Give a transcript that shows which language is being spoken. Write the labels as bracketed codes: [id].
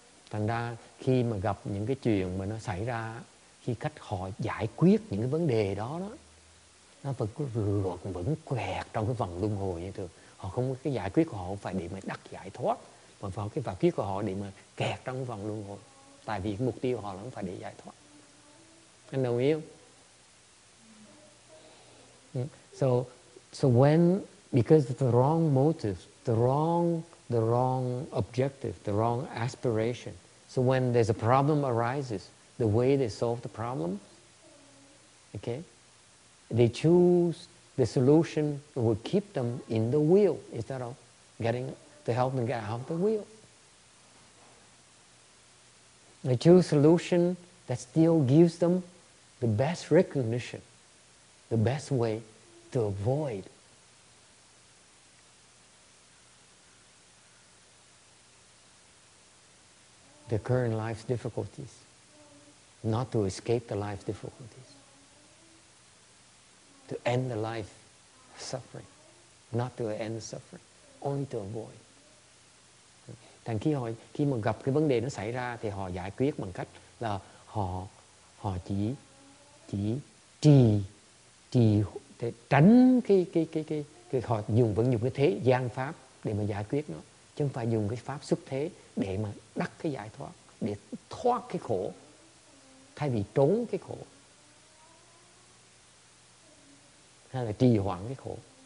[vi] Thành ra khi mà gặp những cái chuyện mà nó xảy ra, khi khách họ giải quyết những cái vấn đề đó, nó vẫn luẩn vẫn quẹt trong cái vòng luân hồi như thường. Họ không có cái giải quyết của họ phải để mà đắc giải thoát, mà vào cái vào kiết của họ để mà kẹt trong cái vòng luân hồi. Tại vì cái mục tiêu họ là không phải để giải thoát. Anh đồng ý không? [en] So when, because of the wrong motive, the wrong objective, the wrong aspiration, so when there's a problem arises, the way they solve the problem, okay, they choose the solution that will keep them in the wheel instead of getting to help them get out of the wheel. They choose a solution that still gives them the best recognition, the best way to avoid. The current life's difficulties. Not to escape the life's difficulties. to end the life of suffering, not to end the suffering, only to avoid. [vi] Thành khi họ khi mà gặp cái vấn đề nó xảy ra thì họ giải quyết bằng cách là họ họ chỉ trì trì để tránh cái họ dùng vẫn dùng cái thế gian pháp để mà giải quyết nó, chứ không phải dùng cái pháp xuất thế để mà đắc cái giải thoát, để thoát cái khổ thay vì trốn cái khổ hay là trì hoãn cái khổ.